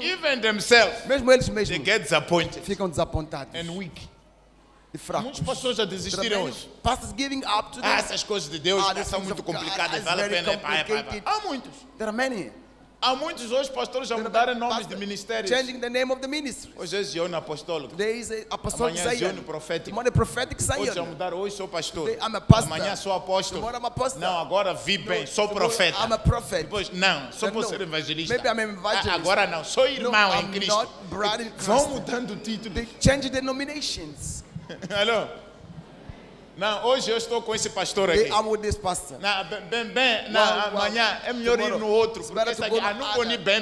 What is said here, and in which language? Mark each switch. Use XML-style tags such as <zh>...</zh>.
<en>even themselves,</en> <pt>mesmo eles mesmos,</pt> <en>they get disappointed,</en> <pt>ficam desapontados.</pt> <en>And weak.</en> <pt>E fracos. Muitos pastores já desistiram hoje.</pt> <en>Pastors giving up to them.</en> <pt>Essas coisas de Deus são muito complicadas. Vale a pena. Há muitos.</pt> <en>There are many.</en> <pt>Há muitos hoje pastores já mudaram nomes de ministérios.</pt> <en>Changing the name of the ministry.</en> <pt>Hoje é Zion apostólico.</pt> <en>Today is apostolic Zion.</en> <pt>Amanhã é Zion profético.</pt> <en>Tomorrow prophetic Zion.</en> <pt>Hoje já mudaram. Hoje sou pastor.</pt> <en>Today I'm a pastor.</en> <pt>Amanhã sou apóstolo.</pt> <en>Tomorrow I'm a pastor.</en> <pt>Não, agora vi bem. Sou profeta.</pt> <en>I'm a prophet.</en> <pt>Depois, não, sou pastor evangelista.</pt> <en>Maybe I'm an evangelist.</en> <pt>Agora não, sou irmão em Cristo.</pt> <en>I'm not brother in Christ.</en> <pt>Vão mudando títulos.</pt> <en>They change the denominations.</en> <pt>Alô? Não, hoje eu estou com esse pastor aqui.</pt> <en>I'm with this pastor.</en> <pt>Na, bem, na amanhã é melhor ir no outro. Porque essa aqui, não vou nem bem.</pt>